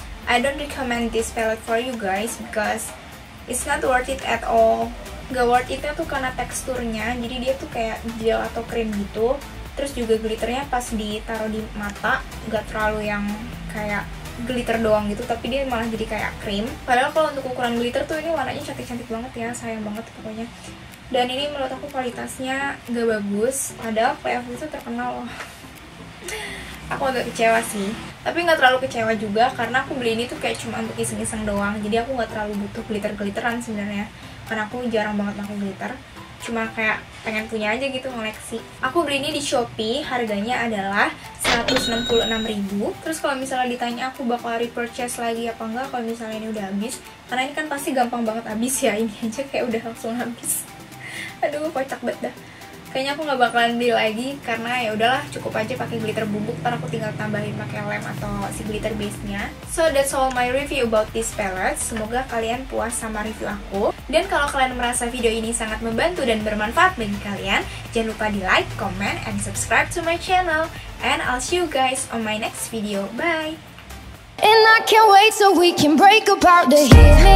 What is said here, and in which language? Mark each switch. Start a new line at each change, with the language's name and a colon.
English: I don't recommend this palette for you guys because it's not worth it at all.
Indonesian: Gak worth itnya tuh karena teksturnya, jadi dia tuh kayak gel atau krim gitu. Terus juga glitternya pas ditaruh di mata gak terlalu yang kayak glitter doang gitu, tapi dia malah jadi kayak krim. Padahal kalau untuk ukuran glitter tuh ini warnanya cantik-cantik banget ya, sayang banget pokoknya. Dan ini menurut aku kualitasnya gak bagus, padahal PF itu terkenal loh. Aku agak kecewa sih, tapi gak terlalu kecewa juga karena aku beli ini tuh kayak cuma untuk iseng-iseng doang. Jadi aku gak terlalu butuh glitter-glitteran sebenarnya, karena aku jarang banget pakai glitter, cuma kayak pengen punya aja gitu, ngoleksi. Aku beli ini di Shopee, harganya adalah 166.000. Terus kalau misalnya ditanya aku bakal repurchase lagi apa enggak kalau misalnya ini udah habis, karena ini kan pasti gampang banget habis ya, ini aja kayak udah langsung habis. Aduh, kocak banget dah. Kayaknya aku nggak bakalan beli lagi karena ya udahlah, cukup aja pakai glitter bubuk, ntar aku tinggal tambahin pakai lem atau si glitter base-nya.
English: So that's all my review about this palette.
Indonesian: Semoga kalian puas sama review aku. Dan kalau kalian merasa video ini sangat membantu dan bermanfaat bagi kalian, jangan lupa di
English: like, comment, and subscribe to my channel. And I'll see you guys on my next video. Bye. And I can't wait so we can break apart the heat.